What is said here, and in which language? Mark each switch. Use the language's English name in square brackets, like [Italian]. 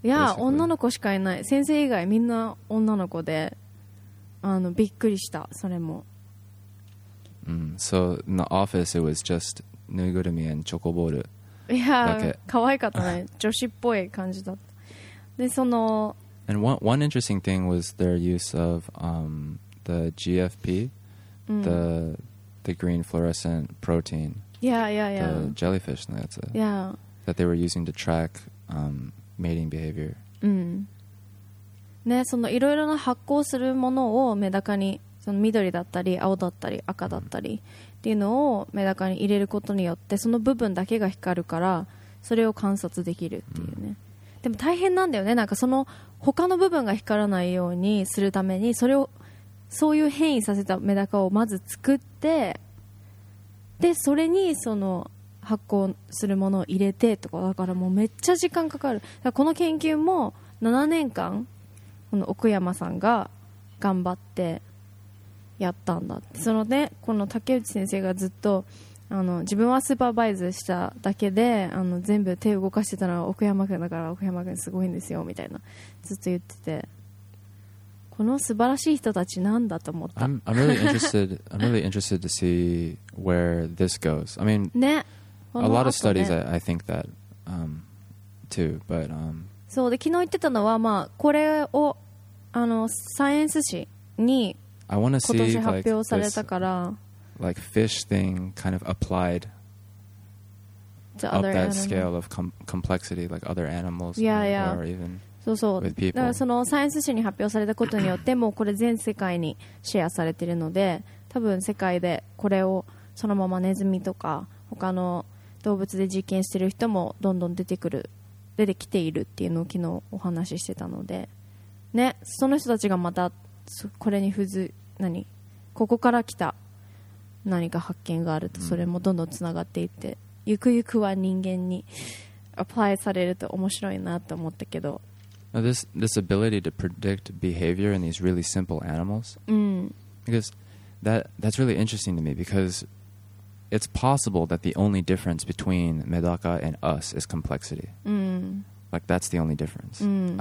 [Japanese] いや、女の子しかいない。先生以外みんな女の子で、あのびっくりした。それも。 [English] So in the office it was just ぬいぐるみ and チョコボール。 [Japanese] いや、可愛かったね。女子っぽい感じだった。でその [English] and one interesting thing was their use of the GFP, the green fluorescent protein. Yeah, yeah, yeah. The jellyfish, and that's it. Yeah. that they were using to track、mating behavior. [Japanese] ね、そのいろいろな発光するものをメダカにその緑だったり青だったり赤だったりっていうのをメダカに入れることによってその部分だけが光るからそれを観察できるっていうね、うん、でも大変なんだよね。なんかその他の部分が光らないようにするためにそれをそういう変異させたメダカをまず作って、でそれにその発光するものを入れてとか、だからもうめっちゃ時間かかる。だからこの研究も7年間この奥山さんが頑張ってやったんだって。そのね、この竹内先生がずっとあの自分はスーパーバイズしただけで、あの全部手を動かしてたのは奥山君だから、奥山君すごいんですよみたいなずっと言ってて、この素晴らしい人たちなんだと思った。 [English] I'm really interested to see where this goes. I mean、 [Japanese] ね、 [English] a lot of studies、ね、I think that、too but、 [Japanese] そうで昨日言ってたのは、まあ、これをあのサイエンス誌に今年発表されたから、 [English] like fish thing kind of applied to other up that scale of complexity, like other animals, yeah, yeah. or even [Japanese] そうそう [English] with people. [Japanese] だからそのサイエンス誌に発表されたことによってもうこれ全世界にシェアされているので、多分世界でこれをそのままネズミとか他の動物で実験している人もどんどん出てくる、出てきているっていうのを昨日お話ししてたので、ね、その人たちがまたこれに付随、何ここから来た何か発見があると、それもどんどんつながっていって、ゆくゆくは人間にアプライされると面白いなと思ったけど。 [English] Now this ability to predict behavior in these really simple animals、 [Japanese] うん、 [English] because that's really interesting to me, because it's possible that the only difference between medaka and us is complexity、 [Japanese] うん、 [English] like that's the only difference、 [Japanese] うん、